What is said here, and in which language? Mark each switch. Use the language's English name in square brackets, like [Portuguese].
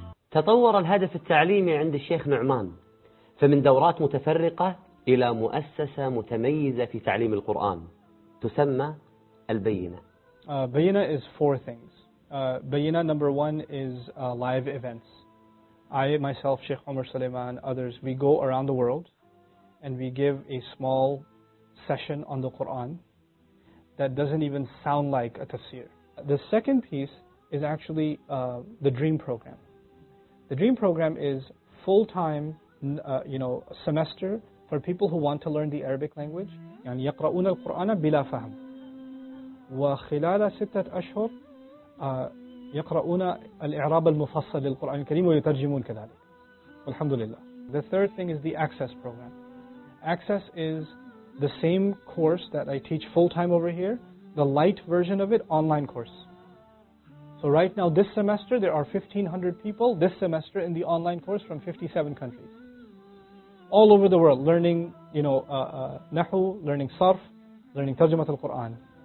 [Arabic] تطور الهدف التعليمي عند الشيخ نعمان، فمن دورات متفرقة إلى مؤسسة متميزة في تعليم القرآن تسمى البينة. [English] بينة is 4 things. بينة number 1 is live events. I myself, Sheikh Omar Suleiman, others, we go around the world and we give a small session on the Quran that doesn't even sound like a tafsir. The second piece is actually the Dream Program. The Dream Program is full-time, semester for people who want to learn the Arabic language. [Arabic] يعني يقرؤون القرآن بلا فهم. وخلال 6 أشهر يقرؤون الإعراب المفصل للقرآن الكريم ويترجمون كذلك. الحمد لله. [English] The third thing is the access program. Access is the same course that I teach full time over here, the light version of it, online course. So right now, this semester, there are 1,500 people this semester in the online course from 57 countries, all over the world, learning, you know, Nahu, learning Sarf, learning Tarjumat al-Quran.